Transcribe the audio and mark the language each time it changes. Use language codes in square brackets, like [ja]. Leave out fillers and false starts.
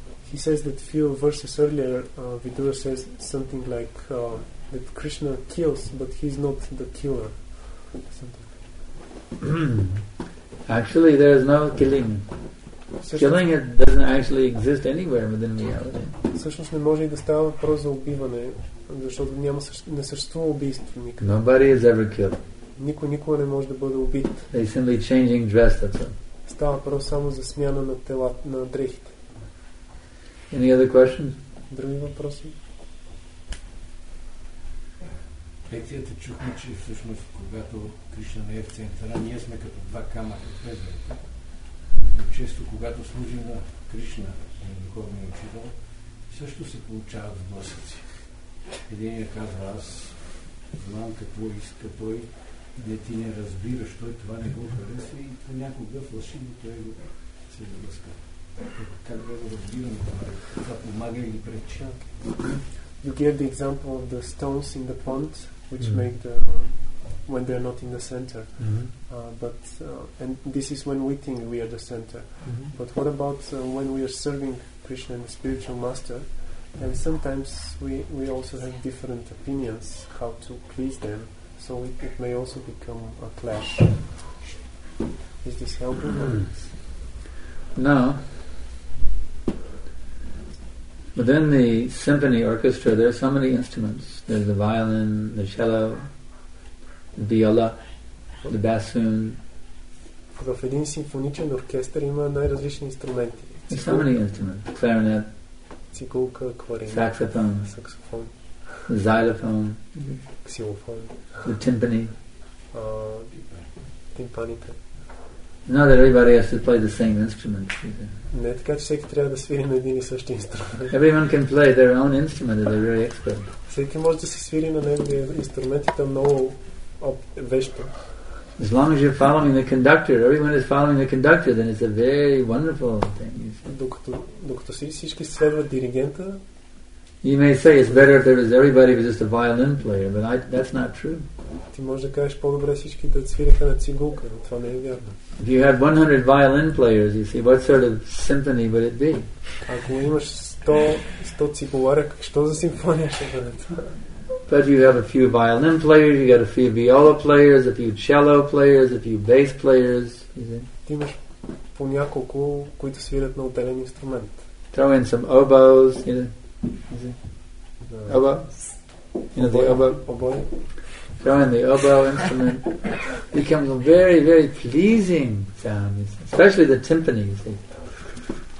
[en] He says that a few verses earlier Vidura says something like that Krishna kills, but he is not the killer. Something. Actually, there is no killing. Killing it doesn't actually exist anywhere within reality. [bg] Всъщност не може да става въпрос за убиване, защото няма не съществува убийство никога. [en] Nobody is ever killed. [bg] Никой никога не може да бъде убит. [en] They simply changing dress, that's all. [bg] Става въпрос само за смяна на тела, на дрехите. [en] Any other questions? [bg] Други въпроси? Лекцията чухме, че всъщност, когато Кришна не е в центъра, ние сме като два камъка в езерото. Но често, когато служим на Кришна, на духовния учител, също се получават сблъсъци. Един я казва, аз знам какво иска той, не ти не разбираш, той това не го харесва и понякога фалшиво той го се сблъска. Как да го разбираме това? Това помага или преча? [en] You gave the example of the stones in the pond, which mm-hmm. make the when they're not in the center. Mm-hmm. But this is when we think we are the center. Mm-hmm. But what about when we are serving Krishna and the spiritual master? And sometimes we also have different opinions how to please them. So it may also become a clash. Is this helpful? Mm-hmm. No. Within the symphony orchestra, there are so many instruments. There's the violin, the cello, the viola, the bassoon. [bg] В един симфоничен оркестър има най-различни инструменти. [en] So many instruments: clarinet, [bg] цигулка, кларинет, [en] saxophone, [bg] саксофон, [en] xylophone, [bg] ксилофон, [en] the timpani, [bg] тимпаните. [en] Not everybody has to play the same instrument. [bg] Не, така че всеки трябва да свири на един и същи инструмент. [en] Everyone can play their own instrument and they're very expert. [bg] Всеки може да се свири на неговия инструмент и там много вещо. [en] As long as you're following the conductor, everyone is following the conductor, then it's a very wonderful thing. [bg] Докато всички следват диригента. [en] You may say it's better if there is everybody who's just a violin player, but that's not true. [bg] Ти може да кажеш по-добре всички да свириха на цигулка, но това не е вярно. [en] If you had 100 violin players, you see, what sort of symphony would it be? [bg] Ако имаш 100 цигуларя, що за симфония ще бъде? [en] But you have a few violin players, you got a few viola players, a few cello players, a few bass players, you see. [bg] Ти имаш по няколко, които свирят на отделен инструмент. [en] Throw in some oboes, you see. Oboe. You know the oboe? Oboe. Throwing the oboe instrument becomes a very, very pleasing sound, especially the timpani, you see.